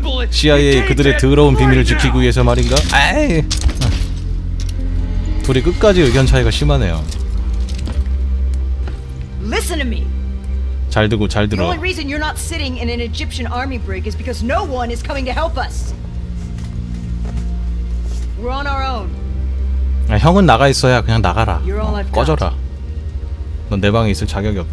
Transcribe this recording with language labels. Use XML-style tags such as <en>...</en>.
<ko>CIA 그들의 더러운 비밀을 지키기 위해서 말인가? 에이. 둘이 끝까지 의견 차이가 심하네요.</ko> <en>Listen to me.</en> <ko>잘 듣고 잘 들어.</ko> <en>The only reason you're not sitting in an Egyptian army brig is because no one is coming to help us. We're on our own.</en> <ko>아, 형은 나가 있어야 그냥 나가라. 어, 꺼져라. 넌 내 방에 있을 자격이 없다.</ko>